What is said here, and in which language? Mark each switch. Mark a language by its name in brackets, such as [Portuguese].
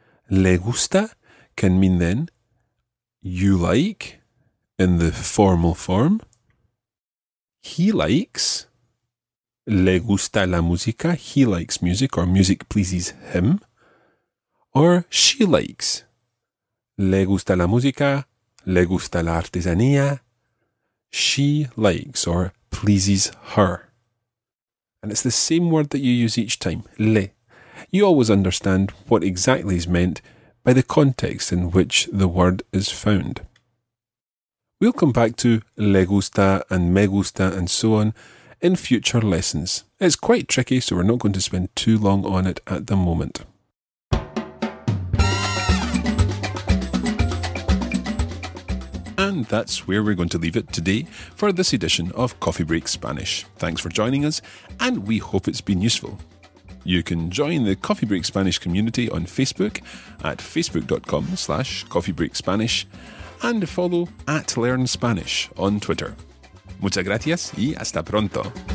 [Spanish] Le gusta [English] can mean then, you like, in the formal form. He likes. [Spanish] Le gusta la música, [English] he likes music, or music pleases him. Or she likes. [Spanish] Le gusta la música, le gusta la artesanía. [English] She likes, or pleases her. And it's the same word that you use each time, le. You always understand what exactly is meant by the context in which the word is found. We'll come back to [Spanish] le gusta [English] and [Spanish] me gusta [English] and so on in future lessons. It's quite tricky, so we're not going to spend too long on it at the moment. And that's where we're going to leave it today for this edition of Coffee Break Spanish. Thanks for joining us, and we hope it's been useful. You can join the Coffee Break Spanish community on Facebook at facebook.com/coffeebreakspanish and follow at Learn Spanish on Twitter. [Spanish] Muchas gracias y hasta pronto.